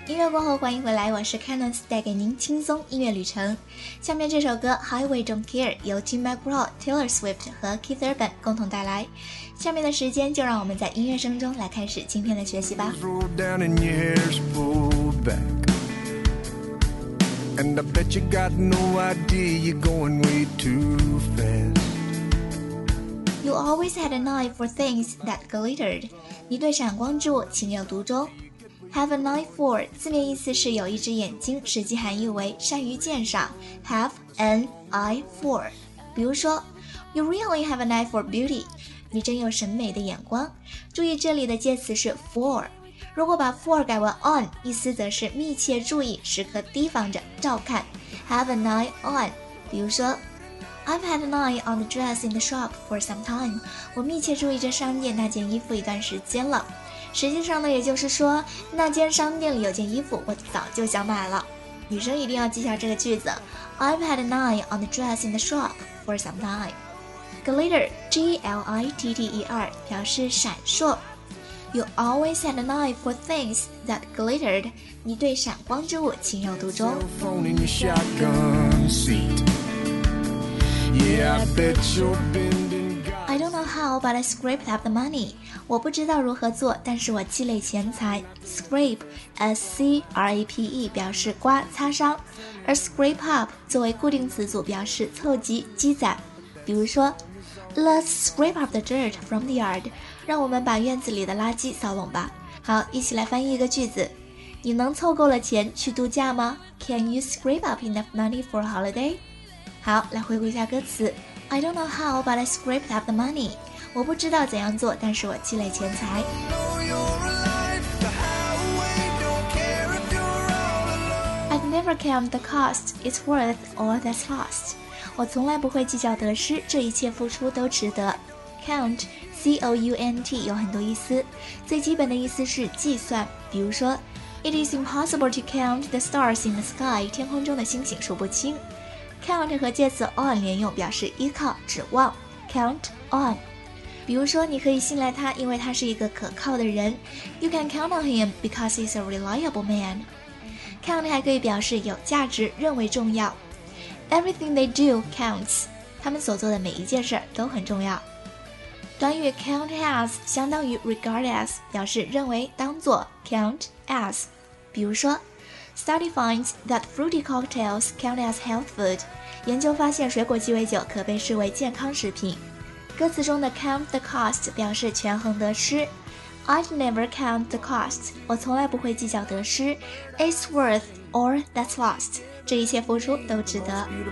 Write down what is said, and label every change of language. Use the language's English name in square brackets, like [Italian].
[Chinese] 过后欢迎回来，我是 Kenneth， 带给您轻松音乐旅程。下面这首歌 Highway Don't Care 由 Tim McGraw、 Taylor Swift 和 Keith Urban 共同带来。下面的时间就让我们在音乐声中来开始今天的学习吧。 [English] Rolled down and your hair's pulled back, and I bet you got no idea you're going way too fast. You always had an eye for things that glittered. [Chinese] 你对闪光之物情有独钟。 [English] Have an eye for, [Chinese] 字面意思是有一只眼睛，实际含义为善于鉴赏。 [English] Have an eye for, [Chinese] 比如说 [English] You really have an eye for beauty, [Chinese] 你真有审美的眼光。注意这里的介词是 for, 如果把 for 改为 on, 意思则是密切注意，时刻提防着，照看。 [English] Have an eye on, [Chinese] 比如说 [English] I've had an eye on the dress in the shop for some time. [Chinese] 我密切注意着商店那件衣服一段时间了。实际上呢，也就是说，那间商店里有件衣服，我早就想买了。女生一定要记下这个句子 [English] ，I've had an eye on the dress in the shop for some time. [Chinese] Glitter, G-L-I-T-T-E-R, 表示闪烁。 [English] You always had an eye for things that glittered. [Chinese] 你对闪光之物情有独钟。 [English] Cell phone in your shotgun seat. Yeah, I bet you're bending God. I don't know how, but I scraped up the money. [Chinese] 我不知道如何做，但是我积累钱财。Scrape, S-C-R-A-P-E, 表示刮、擦伤。而 scrape up 作为固定词组，表示凑集、积攒。比如说 [English] ，Let's scrape up the dirt from the yard. [Chinese] 让我们把院子里的垃圾扫拢吧。好，一起来翻译一个句子。你能凑够了钱去度假吗？ [English] Can you scrape up enough money for a holiday? [Chinese] 好，来回顾一下歌词。 [English] I don't know how, but I scraped up the money. [Chinese] 我不知道怎样做，但是我积累钱财。 [English] I've never counted the cost, it's worth all that's lost. [Chinese] 我从来不会计较得失，这一切付出都值得。Count, C-O-U-N-T, 有很多意思。最基本的意思是计算，比如说 [English] It is impossible to count the stars in the sky, [Chinese] 天空中的星星数不清。 Count 和介词 on 连用，表示依靠、指望。 [English] Count on. [Chinese] 比如说你可以信赖他，因为他是一个可靠的人。 [English] You can count on him because he's a reliable man. [Chinese] Count 还可以表示有价值、认为重要。 [English] Everything they do counts. [Chinese] 他们所做的每一件事都很重要。短语 count as 相当于 regard as， 表示认为、当作 count as。比如说 [English] ，study finds that fruity cocktails count as health food。 [Chinese] 研究发现水果鸡尾酒可被视为健康食品。歌词中的 count the cost 表示权衡得失。 [English] I'd never count the cost， [Chinese] 我从来不会计较得失。 [English] It's worth all that's lost， [Chinese] 这一切付出都值得。